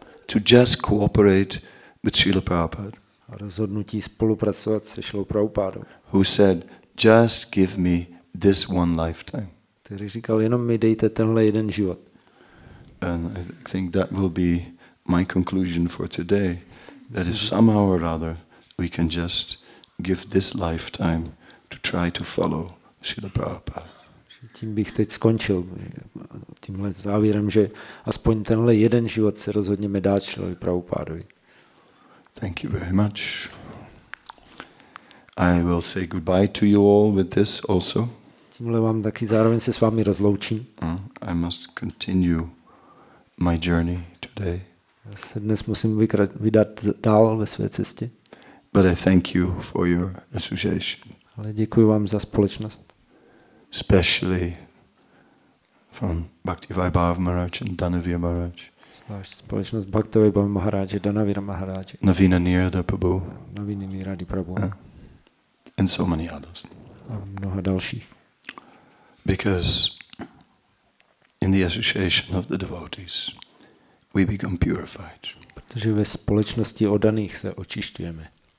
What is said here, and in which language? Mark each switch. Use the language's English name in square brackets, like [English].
[English] To just cooperate with Srila Prabhupada. [Czech] Rozhodnutí spolupracovat se Srilou Prabhupádou. [English] Who said, just give me this one lifetime. [Czech] Který říkal, jenom mi dejte tenhle jeden život. [English] And I think that will be my conclusion for today. That if somehow or other we can just give this lifetime to try to follow Srila Prabhupada. [Czech] Tím bych teď skončil. Tímhle závěrem, že aspoň tenhle jeden život se rozhodněme dát Srilovi Prabhupádovi. [English] Thank you very much. I will say goodbye to you all with this also. [Czech] Tímhle vám taky zároveň se s vámi rozloučím. [English] I must continue my journey today. [Czech] Já se dnes musím vydat dál ve své cestě. [English] But I thank you for your association. [Czech] Ale děkuji vám za společnost. [English] Especially from Bhaktivaibhava Maharaj and Dhanavir Maharaj. [Czech] Zvlášť společnost Bhaktivaibhava Maharaj a Dhanavira Maharaj. [English] Navina Nirada Prabhu. [Czech] Navina Nirada Prabhu. [English] And so many others. [Czech] A mnoha dalších. [English] Because in the association of the devotees, we become purified. [Czech] Protože ve společnosti oddaných se očišťujeme.